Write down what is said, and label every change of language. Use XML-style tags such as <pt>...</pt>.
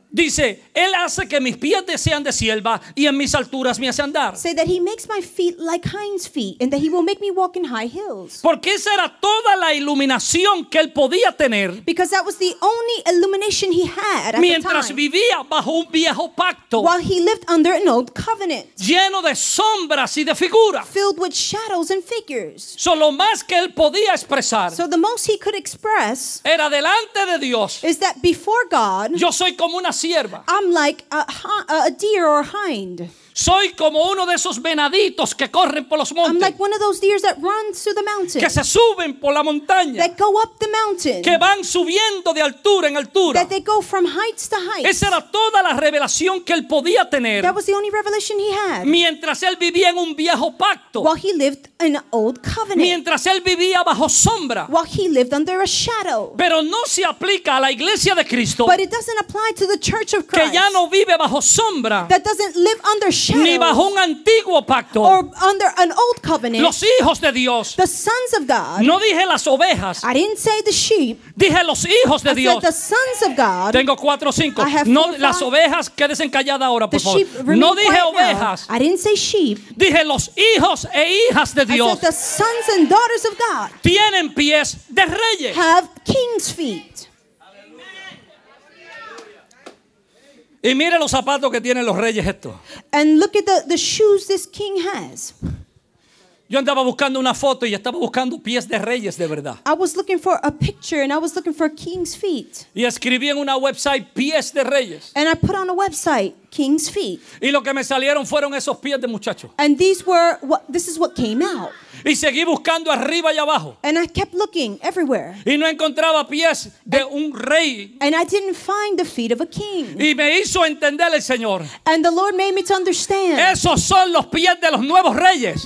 <es>dice, él hace que mis pies sean de sierva y en mis alturas me hace andar.</es> <en>Say that he makes my feet like hinds feet and that he will make me walk in high hills.</en> <es>Porque esa era toda la iluminación que él podía tener.</es> <en>Because that was the only illumination he had at</en> <es>mientras</es> <en>the time.</en> <es>Vivía bajo un viejo pacto.</es> <en>While he lived under an old covenant.</en> <es>Lleno de sombras y de figuras.</es> <en>Filled with shadows and figures.</en> <es>Solo más que él podía expresar.</es> <en>So the most he could express</en> <es>era delante de Dios.</es> <en>Is that before God.</en> <es>Yo soy como una sierva.</es> <en>I'm like a deer or a hind.</en> <es>Soy como uno de esos venaditos que corren por los montes.</es> <en>I'm like one of those deer that runs through the mountain.</en> <es>Que se suben por la montaña.</es> <en>That go up the mountain.</en> <es>Que van subiendo de altura en altura.</es> <en>That they go from heights to heights.</en> <es>Esa era toda la revelación que él podía tener.</es> <en>That was the only revelation he had.</en> <es>Mientras él vivía en un viejo pacto.</es> <en>While he lived in an old covenant.</en> <es>Mientras él vivía bajo sombra.</es> <en>While he lived under a shadow.</en> <es>Pero no se aplica a la iglesia de Cristo.</es> <en>But it doesn't apply to the church of Christ.</en> <es>Que ya no vive bajo sombra.</es> <en>That doesn't live under shadows,</en> <es>ni bajo un antiguo pacto.</es> <en>Or under an old covenant.</en> <es>Los hijos de Dios.</es> <en>The sons of God.</en> <es>No dije las ovejas.</es> <en>I didn't say the sheep.</en> <es>Dije los hijos de Dios.</es> <en>I said the sons of God.</en> <es>Tengo cuatro o cinco.</es> <en>I have no, four or five.</en> <es>Las ovejas, quédense calladas ahora, por</es> <en>the</en> <es>favor.</es> <en>Sheep,</en> <es>no dije ovejas.</es> <en>Now. I didn't say sheep.</en> <es>Dije los hijos e hijas de Dios.</es> <en>I said the sons and daughters of God.</en> <es>Tienen pies de reyes.</es> <en>Have king's feet.</en> <es>Y mire los zapatos que tienen los reyes estos.</es> <en>And look at the shoes this king has.</en> <es>Yo andaba buscando una foto y estaba buscando pies de reyes de verdad.</es> <en>I was looking for a picture and I was looking for king's feet.</en> <es>Y escribí en una website pies de reyes.</es> <en>And I put on a website king's feet.</en> <es>Y lo que me salieron fueron esos pies de muchacho.</es> <en>And these were what, this is what came out.</en> <es>Y seguí buscando arriba y abajo.</es> <en>And I kept looking everywhere.</en> <es>Y no encontraba pies de un rey.</es> <en>And I didn't find the feet of a king.</en> <es>Y me hizo entender el Señor.</es> <en>And the Lord made me to understand.</en> <es>Esos son los pies de los nuevos reyes.</es>